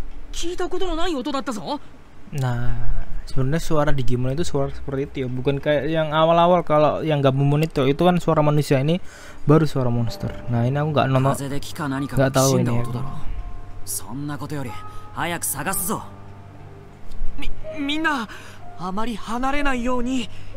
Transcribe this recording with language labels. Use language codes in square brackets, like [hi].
[ja] 怖い話ね。なんだ今の音。聞いたことのない音だったぞ。 [id] Nah, sebenarnya suara Digimon itu suara seperti itu ya, bukan kayak yang awal-awal kalau yang Gabumon itu kan suara manusia, ini baru suara monster. Nah, ini aku enggak tahu ini. [ja] そんなことより早く探すぞ。みんなあまり離れないように。